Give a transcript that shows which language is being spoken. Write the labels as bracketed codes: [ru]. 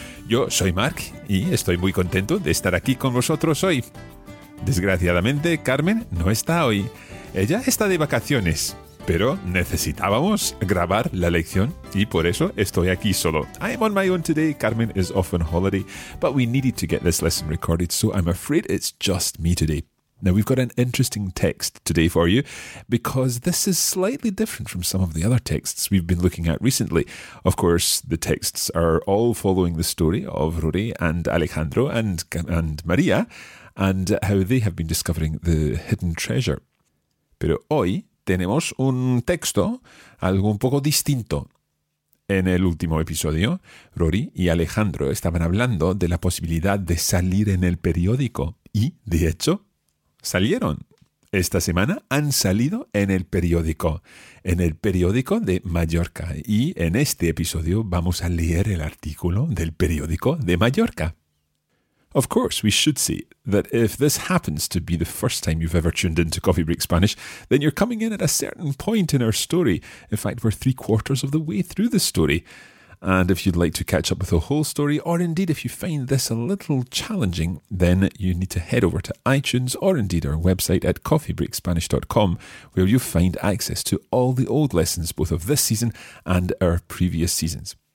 [es] Yo soy Marc y estoy muy contento de estar aquí con vosotros hoy. Desgraciadamente, Carmen no está hoy. Ella está de vacaciones, pero necesitábamos grabar la lección y por eso estoy aquí solo. [en] I am on my own today. Carmen is off on holiday, but we needed to get this lesson recorded, so I'm afraid it's just me today. Now, we've got an interesting text today for you because this is slightly different from some of the other texts we've been looking at recently. Of course, the texts are all following the story of Rory and Alejandro and Maria and how they have been discovering the hidden treasure. [es] Pero hoy tenemos un texto algo un poco distinto. En el último episodio, Rory y Alejandro estaban hablando de la posibilidad de salir en el periódico y, de hecho, salieron. Esta semana han salido en el periódico de Mallorca. Y en este episodio vamos a leer el artículo del periódico de Mallorca. [en] Of course, we should see that if this happens to be the first time you've ever tuned into Coffee Break Spanish, then you're coming in at a certain point in our story. In fact, we're 3/4 of the way through the story. And if you'd like to catch up with the whole story, or indeed if you find this a little challenging, then you need to head over to iTunes or indeed our website at coffeebreakspanish.com, where you'll find access to all the old lessons, both of this season and our previous seasons.